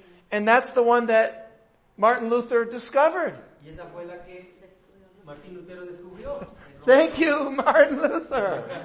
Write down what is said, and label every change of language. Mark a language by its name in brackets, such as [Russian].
[English] And that's the one that Martin Luther discovered. [Spanish] Y esa fue la que Martin Lutero descubrió. [English] Thank you, Martin Luther.